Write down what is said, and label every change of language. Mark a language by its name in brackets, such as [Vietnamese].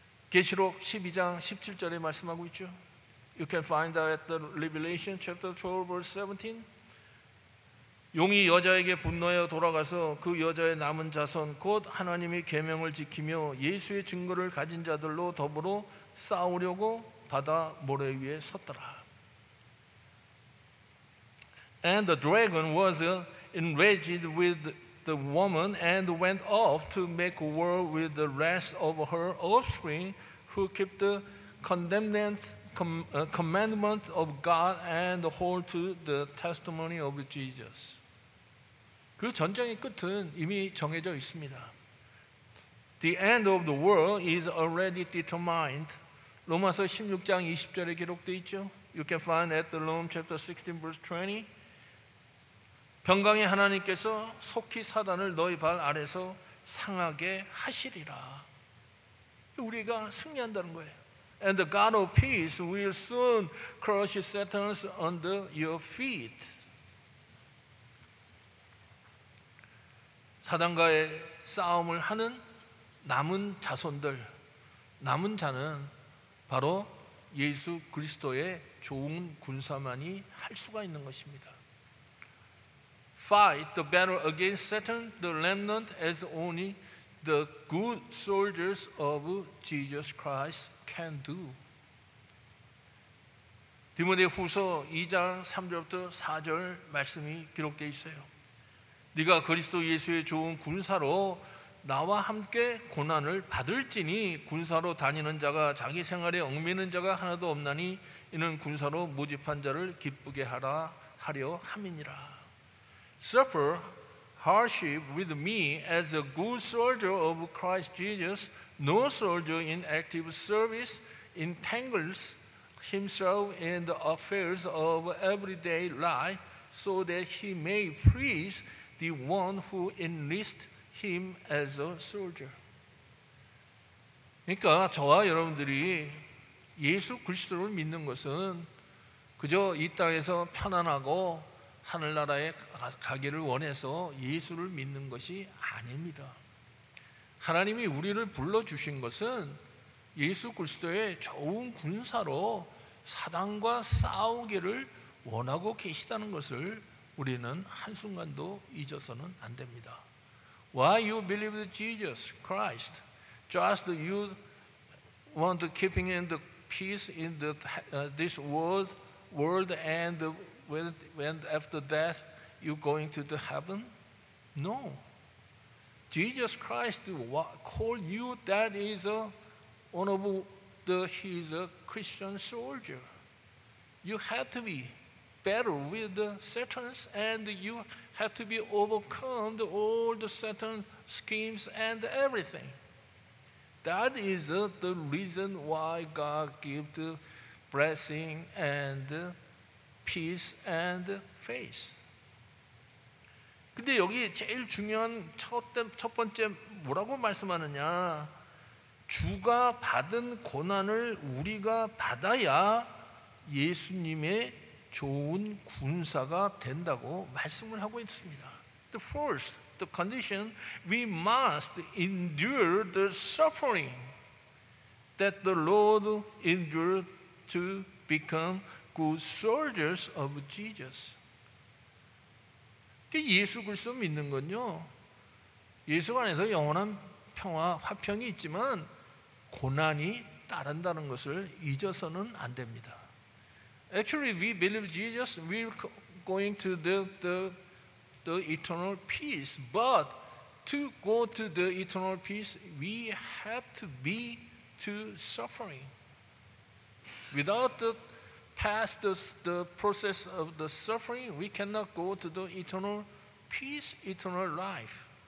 [Korean] 계시록 12장 17절에 말씀하고 있죠. [English] You can find that at the Revelation chapter 12 verse 17. [Korean] 용이 여자에게 분노하여 돌아가서 그 여자의 남은 자손 곧 하나님의 계명을 지키며 예수의 증거를 가진 자들로 더불어 싸우려고 바다 모래 위에 섰더라. [English] And the dragon was enraged with the woman and went off to make war with the rest of her offspring who kept the commandment of God and hold to the testimony of Jesus. [Korean] 그 전쟁의 끝은 이미 정해져 있습니다. [English] The end of the world is already determined. [Korean] 로마서 16장 20절에 기록되어 있죠. [English] You can find at the Rome chapter 16 verse 20. [Korean] 병강의 하나님께서 속히 사단을 너희 발 아래서 상하게 하시리라. 우리가 승리한다는 거예요. [English] And the God of peace will soon crush Satan's under your feet. [Korean] 사단과의 싸움을 하는 남은 자손들, 남은 자는 바로 예수 그리스도의 좋은 군사만이 할 수가 있는 것입니다. [English] Fight the battle against Satan, the remnant, as only the good soldiers of Jesus Christ can do. [Korean] 디모데 후서 2장 3절부터 4절 말씀이 기록되어 있어요. 네가 그리스도 예수의 좋은 군사로 나와 함께 고난을 받을지니 군사로 다니는 자가 자기 생활에 얽매는 자가 하나도 없나니 이는 군사로 모집한 자를 기쁘게 하라 하려 함이니라. [English] Suffer hardship with me as a good soldier of Christ Jesus. No soldier in active service entangles himself in the affairs of everyday life so that he may please the one who enlists him as a soldier. [Korean] 그러니까 저와 여러분들이 예수 그리스도를 믿는 것은 그저 이 땅에서 편안하고 하늘나라에 가기를 원해서 예수를 믿는 것이 아닙니다. 하나님이 우리를 불러주신 것은 예수 그리스도의 좋은 군사로 사단과 싸우기를 원하고 계시다는 것을 우리는 한순간도 잊어서는 안 됩니다. [English] Why you believe Jesus Christ? Just you want keeping in the peace in the, this world and when after death you going to the heaven? No. Jesus Christ called you that is a, one of the he's a Christian soldier. You have to be battle with the Satan's and you have to be overcome all the Satan's schemes and everything. That is the reason why God gives the blessing and peace and faith. [Korean] 근데 여기 제일 중요한 첫 번째 뭐라고 말씀하느냐? 주가 받은 고난을 우리가 받아야 예수님의 좋은 군사가 된다고 말씀을 하고 있습니다. [English] The first, the condition, we must endure the suffering that the Lord endured to become good soldiers of Jesus. [Korean] 예수 그리스도 믿는 건요, 예수 안에서 영원한 평화, 화평이 있지만 고난이 따른다는 것을 잊어서는 안 됩니다. [English] Actually, we believe Jesus, we're going to the eternal peace. But to go to the eternal peace, we have to be to suffering. Without the past, the process of the suffering, we cannot go to the eternal peace, eternal life.